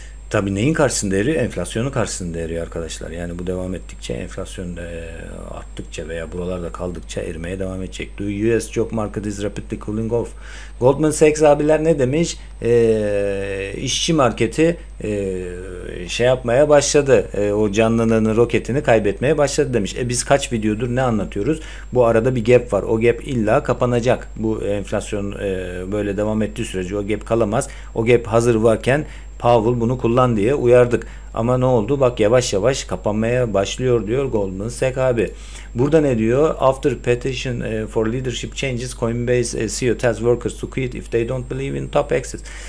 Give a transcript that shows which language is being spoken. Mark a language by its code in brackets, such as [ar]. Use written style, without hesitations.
[tr] Tabi neyin karşısında eriyor? Enflasyonun karşısında eriyor arkadaşlar. Yani bu devam ettikçe, enflasyon arttıkça veya buralarda kaldıkça erimeye devam edecek. [en] The US job market is rapidly cooling off. [tr] Goldman Sachs abiler ne demiş? İşçi marketi şey yapmaya başladı. O canlılığını, roketini kaybetmeye başladı demiş. Biz kaç videodur ne anlatıyoruz? Bu arada bir gap var. O gap illa kapanacak. Bu enflasyon böyle devam ettiği sürece o gap kalamaz. O gap hazır varken Powell bunu kullan diye uyardık. Ama ne oldu? Bak yavaş yavaş kapanmaya başlıyor diyor Goldman Sachs abi. Burada ne diyor? [en] After petition for leadership changes, Coinbase CEO tells workers to quit if they don't believe in top exits.